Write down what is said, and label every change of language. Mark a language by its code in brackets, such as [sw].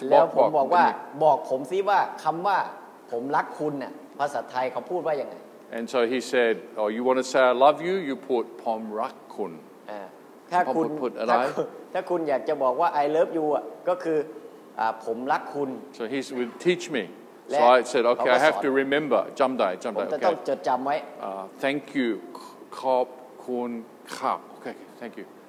[th] แล้วผมบอกว่าบอกผมซิว่าคำว่าผมรักคุณเนี่ยภาษาไทยเขาพูดว่ายังไง [en] And so he said, "Oh, you want to say I love you? You put [th] ผมรักคุณ ถ้าคุณถ้าคุณอยากจะบอกว่า [en] I love you [th] อ่ะก็คือผมรักคุณ [en] So he would teach me. So I said, "Okay, I have to remember. [th] จำได้จำได้ ผมจะต้องจดจำไว้ [en] Thank you. [th] ขอบคุณครับ [en] Okay, thank you.